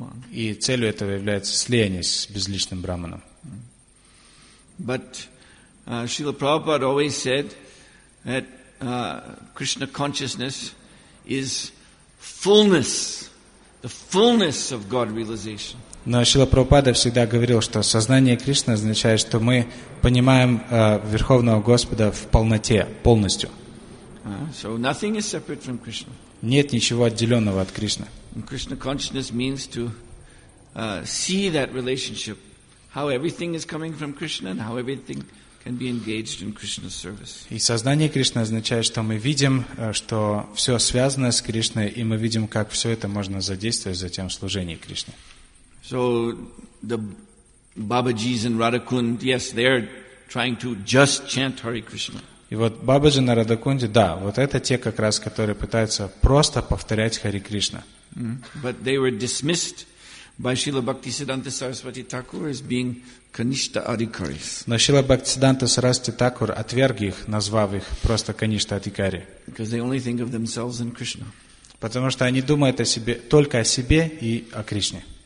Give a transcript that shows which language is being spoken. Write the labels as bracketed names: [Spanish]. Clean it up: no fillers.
[Russian] И целью этого является слияние с безличным Брахманом. [English] But Srila Prabhupada always said that Krishna consciousness is fullness, the fullness of God realization. [Russian] Но Шрила Прабхупада всегда говорил, что сознание Кришны означает, что мы понимаем Верховного Господа в полноте, полностью. [English] So nothing is separate from Krishna. [Russian] Нет ничего отделенного от Кришны. [English] Krishna consciousness means to see that relationship, how everything is coming from Krishna and how everything can be engaged in Krishna's service. [Russian] И сознание Кришны означает, что мы видим, что все связано с Кришной, и мы видим, как все это можно задействовать затем в служении Кришне. [English] So the Babaji's and Radhakund, yes, they are trying to just chant Hare Krishna. [Russian] И вот Бабаджи на Радакунде, да, вот это те как раз, которые пытаются просто повторять Хари Кришна. [English] But they were dismissed by Srila Bhaktisiddhanta Saraswati Thakur as being Kanishta Adhikaris. [Russian] Но Srila Bhaktisiddhanta Saraswati Thakur отверг их, назвав их просто Kanishta Adhikari. [English] Because they only think of themselves and Krishna. [Russian] Потому что они думают о себе, только о себе и о Кришне.